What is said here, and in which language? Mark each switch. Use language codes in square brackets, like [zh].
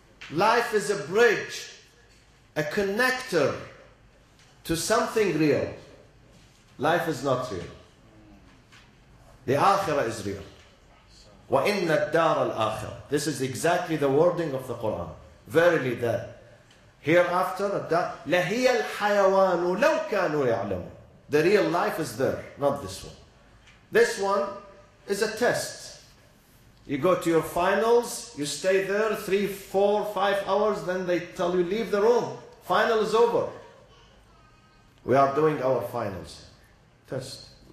[en] Life is a bridge, a connector to something real. Life is not real. The Akhirah is real. [ar] وَإِنَّ الدَّارَ الْآخِرَةِ. [en] This is exactly the wording of the Quran. Verily that hereafter, [ar] لَهِيَ الْحَيَوَانُ لَوْ كَانُوا يَعْلَمُونَ. [en] The real life is there, not this one. This one is a test. You go to your finals, you stay there 3, 4, 5 hours, then they tell you, leave the room. Final is over. We are doing our finals. Test.